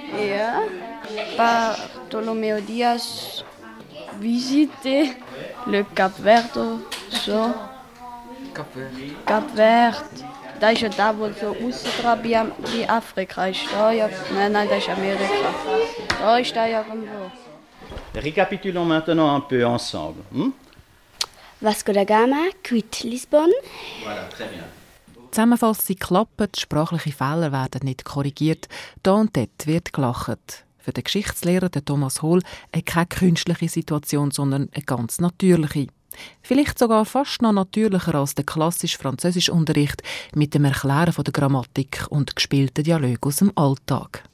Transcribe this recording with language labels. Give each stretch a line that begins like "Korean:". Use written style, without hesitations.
French: Ja. Bartolomeo Dias visite le Cap Verde. So. Cap Verde.
German: Das ist ja da, wo so ausgegraben wie Afrika ist. Ja, nein, das ist Amerika. Da ist da ja irgendwo.
French: Récapitulons maintenant un peu ensemble. Vasco da Gama, quitte Lisbonne.
German: Zusammenfassung klappt, sprachliche Fehler werden nicht korrigiert. Da und dort wird gelacht. Für den Geschichtslehrer den Thomas Hohl keine künstliche Situation, sondern eine ganz natürliche. Vielleicht sogar fast noch natürlicher als der klassische Französischunterricht mit dem Erklären von der Grammatik und gespielten Dialogen aus dem Alltag.